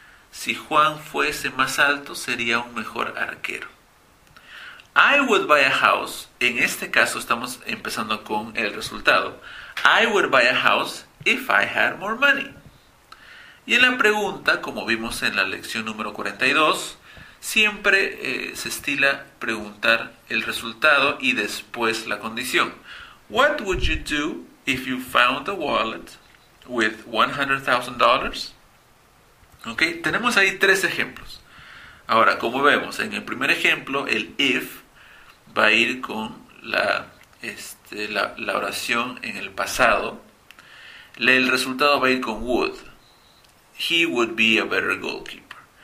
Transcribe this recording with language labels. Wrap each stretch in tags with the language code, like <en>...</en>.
<es>Si Juan fuese más alto, sería un mejor arquero. I would buy a house. En este caso estamos empezando con el resultado.</es> <en>I would buy a house if I had more money.</en> <es>Y en la pregunta, como vimos en la lección número 42, siempre se estila preguntar el resultado y después la condición.</es> <en>What would you do if you found a wallet with $100,000?</en> <es>Ok, tenemos ahí tres ejemplos. Ahora, como vemos, en el primer ejemplo, el if va a ir con la oración en el pasado. El resultado va a ir con would. He would be a better goalkeeper.</es>